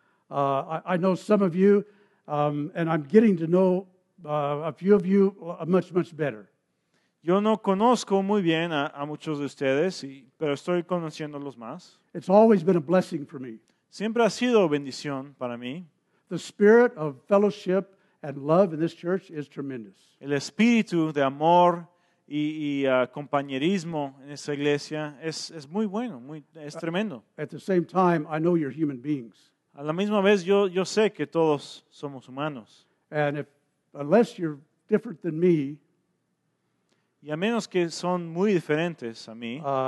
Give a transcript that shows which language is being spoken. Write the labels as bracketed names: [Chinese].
[English] I know some of you, and I'm getting to know a few of you much, much better. [Spanish] Yo no conozco muy bien a muchos de ustedes, pero estoy conociéndolos más. [English] It's always been a blessing for me. [Spanish] Siempre ha sido bendición para mí. [English] The spirit of fellowship and love in this church is tremendous. [Spanish] El espíritu de amor y compañerismo en esta iglesia es muy bueno, es tremendo. [English] At the same time, I know you're human beings. [Spanish] A la misma vez, yo sé que todos somos humanos. [English] And if, unless you're different than me, [Spanish] y a menos que son muy diferentes a mí,